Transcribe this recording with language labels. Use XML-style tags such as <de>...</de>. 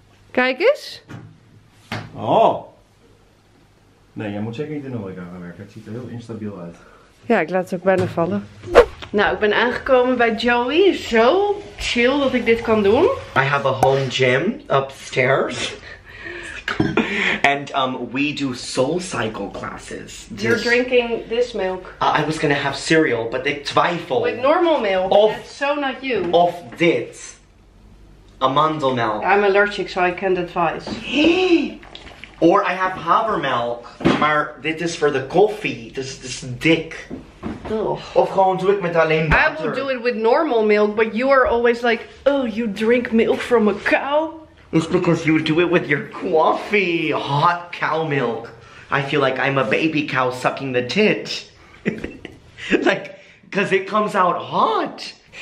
<nl>Kijk eens. Oh. Nee, jij moet zeker niet in de horeca gaan werken. Het ziet er heel instabiel uit. Ja, ik laat het ook bijna vallen. Nou, ik ben aangekomen bij Joey. Zo chill dat ik dit kan doen.</nl> <en>I have a home gym upstairs. And we do soul cycle classes. You're this... drinking this milk. I was gonna have cereal, but</en> <nl>ik twijfel.</nl> <en>With normal milk.</en> <nl>Of,</nl> <en>so not you.</en> <nl>Of dit. Amandelmelk.</nl> <en>I'm allergic, so I can't advise. Or I have</en> <nl>havermelk, maar dit is voor de koffie, dus het is dik. Ugh. Of gewoon doe ik met alleen water.</nl> <en>I would do it with normal milk, but you are always like, oh, you drink milk from a cow? It's because you do it with your coffee, hot cow milk. I feel like I'm a baby cow sucking the tit. Like, because it comes out hot.</en>